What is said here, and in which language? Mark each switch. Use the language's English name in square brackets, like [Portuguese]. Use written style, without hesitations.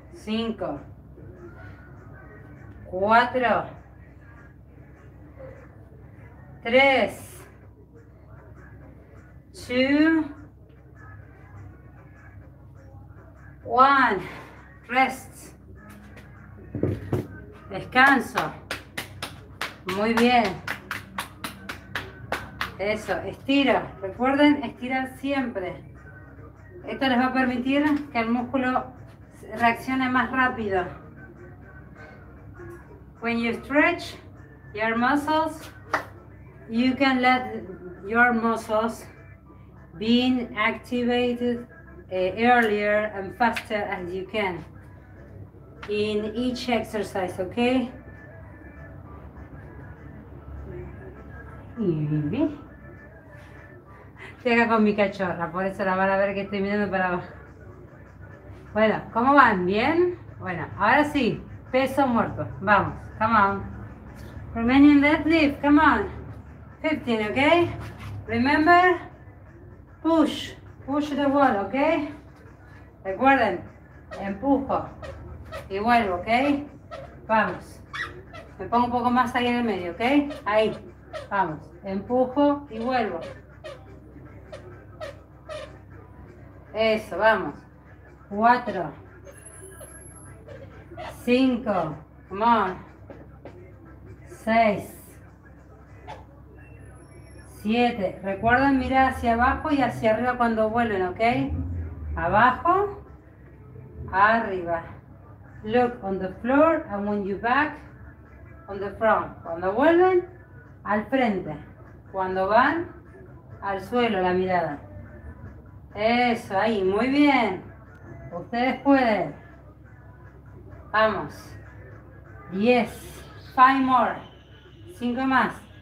[Spanish] 5, 4, 3, 2, 1, [English] rest, [Spanish] descanso, muy bien, eso, estira, recuerden estirar siempre, esto les va a permitir que el músculo reaccione más rápido. [English] When you stretch your muscles, you can let your muscles being activated earlier and faster as you can in each exercise, okay? [Spanish] Y llega con mi cachorra, por eso la van a ver que estoy mirando para abajo. Bueno, ¿cómo van? ¿Bien? Bueno, ahora sí, peso muerto. Vamos, [English] come on. Romanian deadlift, come on. 15, ok? Remember? Push, push the wall, ok? [Spanish] Recuerden, empujo y vuelvo, ok? Vamos. Me pongo un poco más ahí en el medio, ok? Ahí. Vamos, empujo y vuelvo. Eso, vamos. [English] 4, 5, come on. 6, 7. [Spanish] Recuerden mirar hacia abajo y hacia arriba cuando vuelven, ¿ok? Abajo, arriba. [English] Look on the floor and when you back, on the front. [Spanish] Cuando vuelven, al frente, cuando van al suelo la mirada. Eso, ahí, muy bien. Ustedes pueden. Vamos. 10. [English] 5 more. [Spanish] 5 más.